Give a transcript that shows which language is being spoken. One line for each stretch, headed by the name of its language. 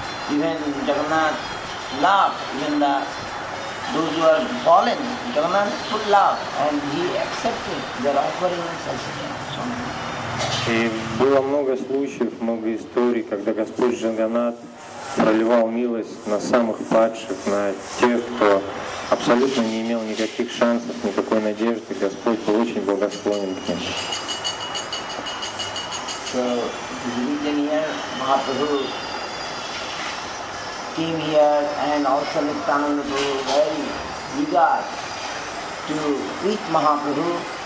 English: Even Jagannath love, even the those who are fallen, Jagannath put love and he accepted their offerings as so many.
Russian: И было много случаев, много историй, когда Господь Джаганнат проливал милость на самых падших, на тех, кто абсолютно не имел никаких шансов, никакой надежды. Господь был очень благосклонен к ним.
English: So, the religion here, Mahaprabhu came here and also Nityananda Prabhu very eager to meet Mahaprabhu.